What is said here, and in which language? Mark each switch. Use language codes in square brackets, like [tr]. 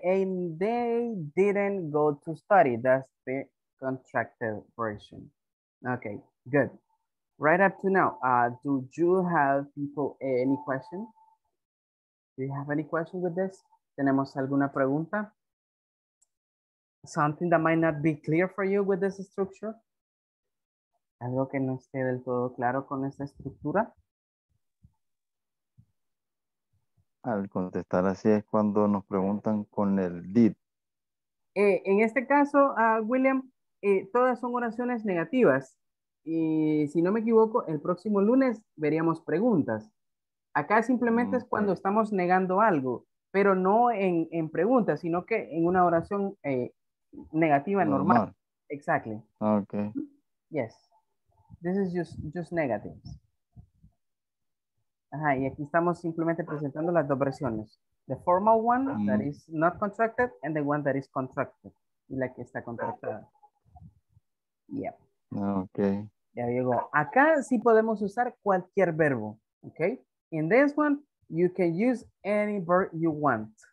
[en] And they didn't go to study. That's the contracted version. Okay, good. Right up to now, do you have people any question? Do you have any question with this? [es] ¿Tenemos alguna pregunta? [en] Something that might not be clear for you with this structure? [es] ¿Algo que no esté del todo claro con esta estructura? Al contestar así es cuando nos preguntan con el did. En este caso, William, todas son oraciones negativas. Y si no me equivoco, el próximo lunes veríamos preguntas. Acá simplemente es cuando estamos negando algo, pero no en preguntas, sino que en una oración negativa normal. [en] Exactly. Okay. Yes. This is just negatives. [es] Ajá, y aquí estamos simplemente presentando las dos versiones. [en] The formal one that is not contracted and the one that is contracted. [es] Y la que está contractada. Yeah. [en] Okay. [es] Ya llegó. Acá sí podemos usar cualquier verbo. Okay. [en] In this one, you can use any verb you want.